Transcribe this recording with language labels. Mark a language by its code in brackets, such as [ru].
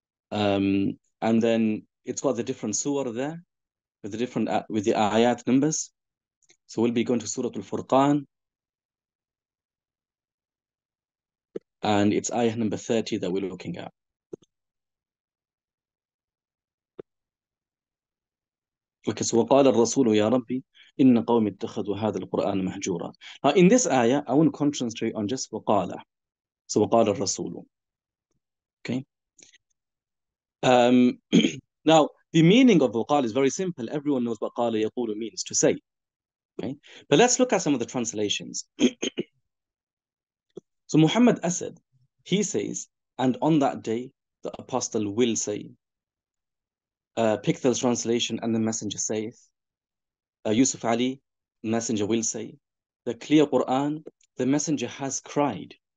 [en] And then it's got the different surah there, with the different with the ayat numbers. So we'll be going to Surah Al-Furqan. And it's ayah number 30 that we're looking at. Okay, so [ar] وَقَالَ الرَّسُولُ يَا رَبِّ إِنَّ قَوْمِ اتَّخَذُوا هَذَا الْقُرْآنَ مَهْجُورًا. [en] Now, in this ayah, I want to concentrate on just وَقَالَ. [ar] So وَقَالَ الرَّسُولُ. [en] Okay. Now, the meaning of وَقَالَ is very simple. Everyone knows وَقَالَ يَقُولُ means to say. Okay. But let's look at some of the translations. So Muhammad Asad, he says, and on that day, the apostle will say, Pickthell's translation, and the messenger saith, Yusuf Ali, messenger will say, the clear Quran, the messenger has cried.